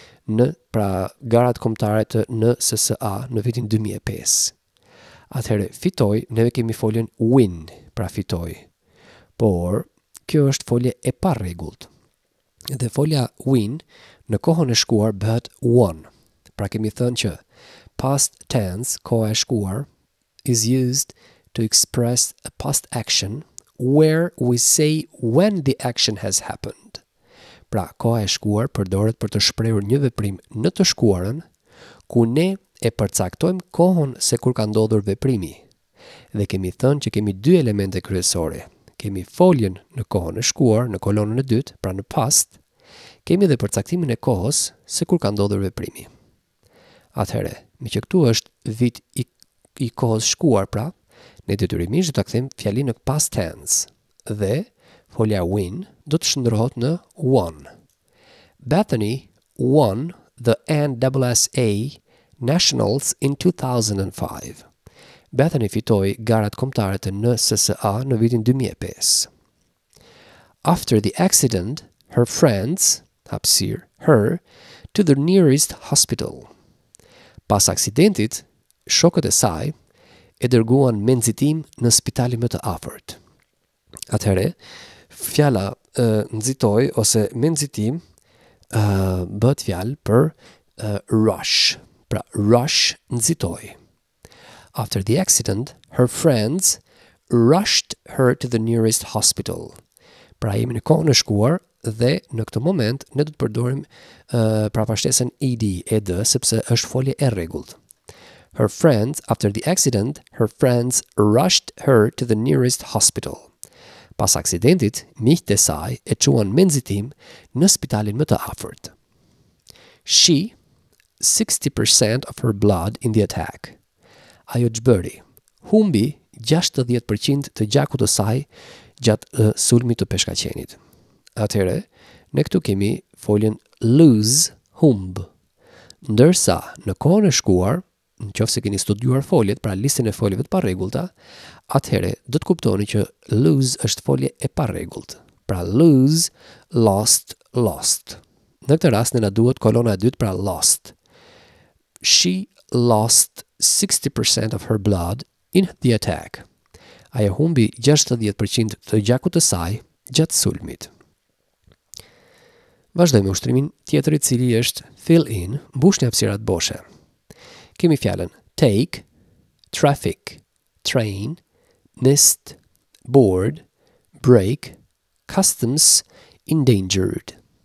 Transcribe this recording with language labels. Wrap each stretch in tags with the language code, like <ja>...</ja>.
<sq>Në pra garat kombëtare të NSSA në vitin 2005. Atëherë fitoi, neve kemi foljen win, pra fitoi. Por kjo është folje e parregullt. Dhe folja win në kohën e shkuar bëhet won. Pra kemi thënë që</sq> <en>past tense,</en> <sq>koha e shkuar,</sq> <en>is used to express a past action where we say when the action has happened.</en> <sq>Pra, koha e shkuar përdoret për të shprehur një veprim në të shkuarën, ku ne e përcaktojmë kohën se kur ka ndodhur veprimi. Dhe kemi thënë që kemi dy elemente kryesore. Kemi foljen në kohën e shkuar, në kolonën e dytë, pra në past, kemi dhe përcaktimin e kohës se kur ka ndodhur veprimi. Atëherë, me që këtu është vit i kohës shkuar, pra, ne detyrimisht do ta kthejmë fjalin në past tense dhe folja win do të shndërrohet në won.</sq> <en>Bethany won the NWSA Nationals in 2005.</en> <sq>Bethany fitoi garat kombëtare të NSSA në vitin 2005.</sq> <en>After the accident, her friends, hapësirë, her, to the nearest hospital.</en> <sq>Pas aksidentit, shokët e saj e dërguan me nxitim në spitalin më të afërt. Atëherë, fjala nxitoi ose me nxitim bëhet fjalë për rush. Pra rush nxitoi.</sq> <en>After the accident, her friends rushed her to the nearest hospital.</en> <sq>Pra jemi në kohën e shkuar dhe në këtë moment ne do të përdorim pra pashtesën ed, ed sepse është folje e rregullt.</sq> <en>Her friends, after the accident, her friends rushed her to the nearest hospital.</en> <sq>Pas aksidentit, miqtë e saj e çuan me nxitim në spitalin më të afërt.</sq> <en>She, 60% of her blood in the attack.</en> <sq>Ajo ç'bëri? Humbi 60% të gjakut të saj gjatë sulmit të peshkaqenit. Atëherë, ne këtu kemi foljen lose, humb. Ndërsa, në kohën e shkuar, në qofë se keni studiuar foljet, pra listën e foljeve të parregullta, atëherë do të kuptoni që lose është folje e parregullt. Pra</sq> <en>lose, lost, lost.</en> <sq>Në këtë rast, ne na duhet kolona e dytë, pra lost.</sq> <en>She lost 60% of her blood in the attack.</en> <sq>Ajo humbi 60% të gjakut të saj gjatë sulmit. Vazhdojmë ushtrimin tjetër i cili është fill in, mbush një hapësirat boshe. Kemi fjallën</sq> <en>take, traffic, train, missed, board, break, customs, endangered.</en>